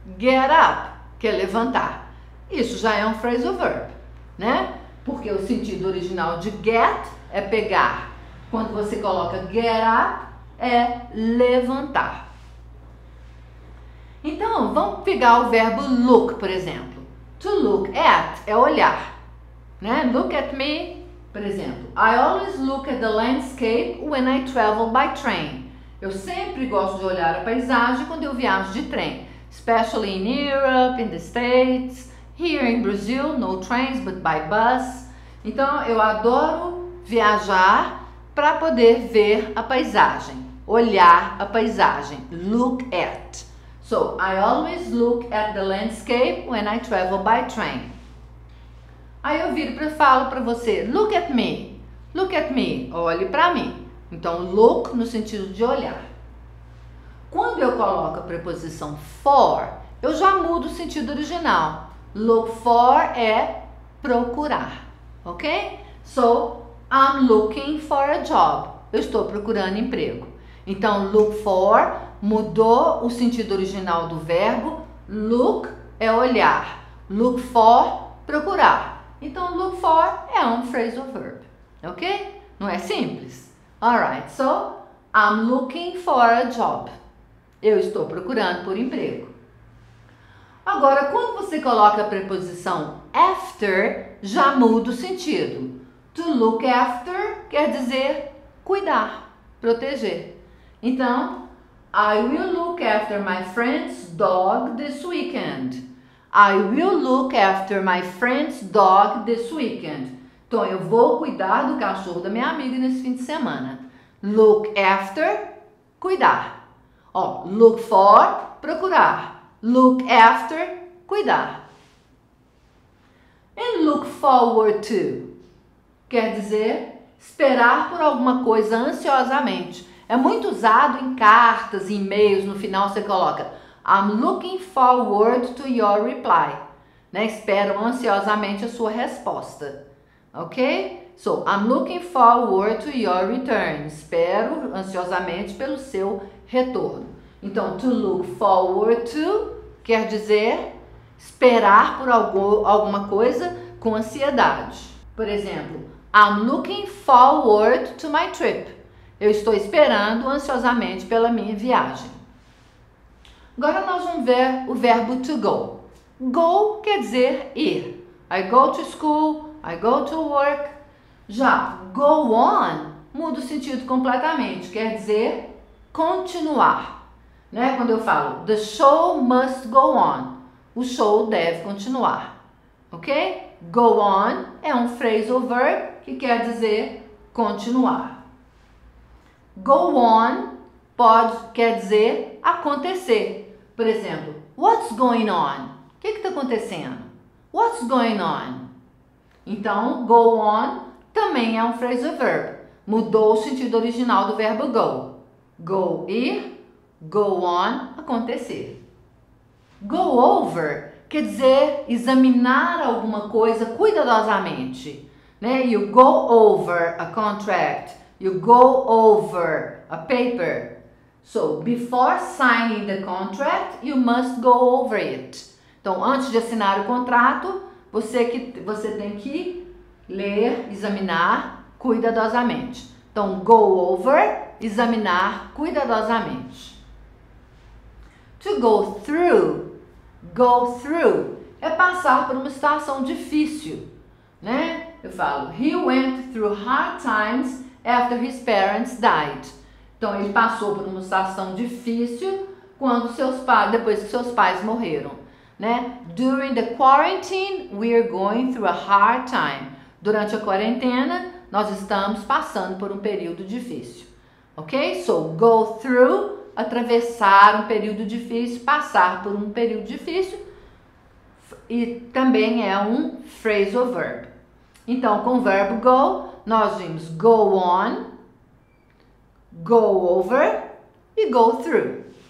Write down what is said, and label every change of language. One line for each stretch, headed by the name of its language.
English: Get up,
Portuguese: que é levantar. Isso já é um phrasal verb, né? Porque o sentido original de get é pegar. Quando você coloca get up, é levantar. Então, vamos pegar o verbo look, por exemplo.
English: To look at
Portuguese: é olhar, né?
English: Look at me,
Portuguese: por exemplo.
English: I always look at the landscape when I travel by train.
Portuguese: Eu sempre gosto de olhar a paisagem quando eu viajo de trem.
English: Especially in Europe, in the States, here in Brazil, no trains, but by bus.
Portuguese: Então, eu adoro viajar para poder ver a paisagem. Olhar a paisagem.
English: Look at. So, I always look at the landscape when I travel by train.
Portuguese: Aí eu viro para falo para você,
English: look at me. Look at me.
Portuguese: Olhe para mim. Então, look no sentido de olhar. Quando eu coloco a preposição for, eu já mudo o sentido original.
English: Look for
Portuguese: é procurar. Ok?
English: So, I'm looking for a job.
Portuguese: Eu estou procurando emprego. Então, look for mudou o sentido original do verbo. Look é olhar.
English: Look for,
Portuguese: procurar. Então, look for é um phrasal verb. Ok? Não é simples?
English: Alright, so I'm looking for a job.
Portuguese: Eu estou procurando por emprego. Agora, quando você coloca a preposição after, já muda o sentido. To look after quer dizer cuidar, proteger.
English: Então, I will look after my friend's dog this weekend. I will look after my friend's dog this weekend.
Portuguese: Então, eu vou cuidar do cachorro da minha amiga nesse fim de semana.
English: Look after, cuidar. Ó, look for, procurar. Look after, cuidar. And look forward to.
Portuguese: Quer dizer, esperar por alguma coisa ansiosamente. É muito usado em cartas, em e-mails. No final você coloca
English: I'm looking forward to your reply.
Portuguese: Né? Espero ansiosamente a sua resposta. Ok?
English: So, I'm looking forward to your return.
Portuguese: Espero ansiosamente pelo seu retorno. Então, to look forward to quer dizer esperar por alguma coisa com ansiedade. Por exemplo,
English: I'm looking forward to my trip.
Portuguese: Eu estou esperando ansiosamente pela minha viagem. Agora nós vamos ver o verbo to go. Go quer dizer ir.
English: I go to school, I go to work. Já go on
Portuguese: muda o sentido completamente, quer dizer continuar.
English: Né?
Portuguese: Quando eu falo
English: the show must go on,
Portuguese: o show deve continuar. Ok? Go on é um phrasal verb que quer dizer continuar. Go on quer dizer acontecer. Por exemplo,
English: what's going on?
Portuguese: O que está acontecendo?
English: What's going on?
Portuguese: Então, go on também é um phrasal verb. Mudou o sentido original do verbo go. Go ir, go on acontecer. Go over quer dizer examinar alguma coisa cuidadosamente, né?
English: You go over a contract. You go over a paper. So, before signing the contract, you must go over it.
Portuguese: Então, antes de assinar o contrato, você tem que ler, examinar cuidadosamente. Então, go over, examinar cuidadosamente. To go through, é passar por uma situação difícil, né? Eu falo,
English: he went through hard times after his parents died.
Portuguese: Então, ele passou por uma situação difícil quando depois que seus pais morreram, né?
English: During the quarantine, we are going through a hard time.
Portuguese: Durante a quarentena, nós estamos passando por um período difícil, ok? So, go through, atravessar um período difícil, passar por um período difícil, e também é um phrasal verb. Então, com o verbo go, nós vimos go on, go over e go through.